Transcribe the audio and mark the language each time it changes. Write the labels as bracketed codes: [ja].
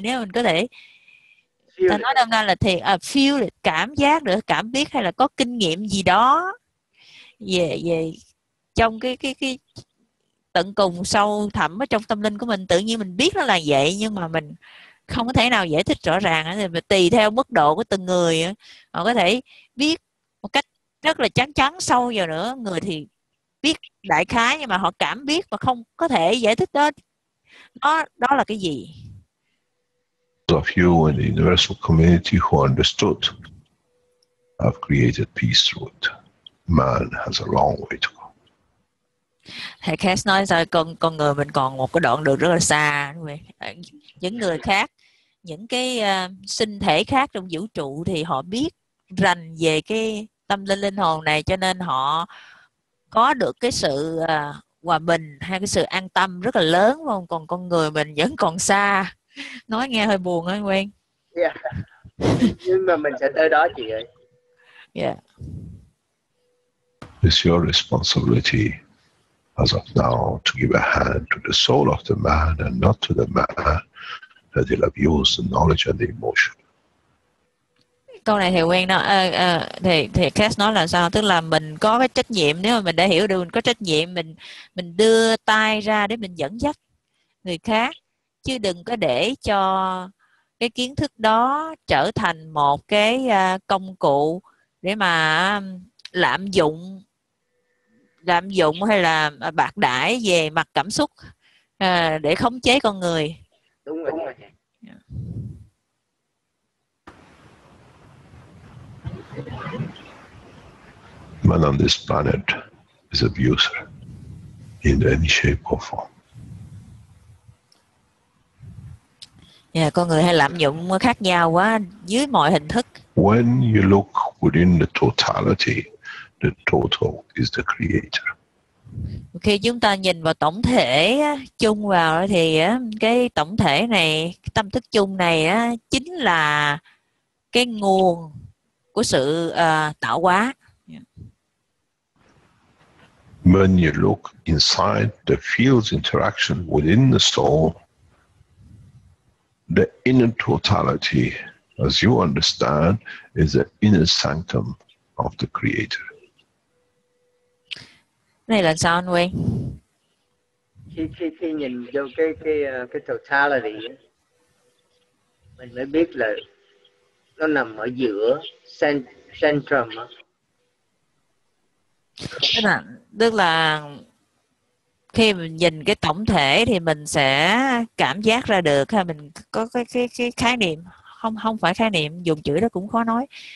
[vi] Nếu mình có thể ta nói đơn giản là thiệt à, [en] feel it, [vi] cảm giác được, cảm biết, hay là có kinh nghiệm gì đó về về trong cái tận cùng sâu thẳm ở trong tâm linh của mình, tự nhiên mình biết nó là vậy, nhưng mà mình không có thể nào giải thích rõ ràng. Thì mình tùy theo mức độ của từng người, họ có thể biết một cách rất là chán chán sâu vào nữa, người thì biết đại khái nhưng mà họ cảm biết mà không có thể giải thích hết đó là cái gì. [en] Of you and the universal community who understood, have created peace through it. Man has a long way to go. [vi] Thầy Cass nói sao con người mình còn một cái đoạn đường rất là xa. Những người khác, những cái sinh thể khác trong vũ trụ thì họ biết rành về cái tâm linh hồn này, cho nên họ có được cái sự hòa bình hay cái sự an tâm rất là lớn, không? Còn con người mình vẫn còn xa. Nói nghe hơi buồn hả Nguyên? Yeah. Nhưng mà mình sẽ tới đó chị ơi. Yeah. [en] It's your responsibility as of now to give a hand to the soul of the man and not to the man that he'll abuse the knowledge and the emotion. [vi] Câu này thì Nguyên nói, thì Cass nói là sao? Tức là mình có cái trách nhiệm, nếu mà mình đã hiểu được mình có trách nhiệm, mình đưa tay ra để mình dẫn dắt người khác. Chứ đừng có để cho cái kiến thức đó trở thành một cái công cụ để mà lạm dụng hay là bạc đãi về mặt cảm xúc để khống chế con người. Đúng rồi. [en] Man on this planet is abuser in any shape or form. [vi] Yeah, con người hay lạm dụng khác nhau quá dưới mọi hình thức. [en] When you look within the totality, the total is the creator. [vi] Khi chúng ta nhìn vào tổng thể chung vào thì cái tổng thể này, tâm thức chung này chính là cái nguồn của sự tạo hóa. [en] When you look inside the field's interaction within the soul, the inner totality, as you understand, is the inner sanctum of the Creator. [vi] Này là sao anh Nguyên? Khi nhìn vô cái totality, mình mới biết là nó nằm ở giữa centrum. Tức là khi mình nhìn cái tổng thể thì mình sẽ cảm giác ra được, hay mình có cái khái niệm, không phải khái niệm, dùng chữ đó cũng khó nói.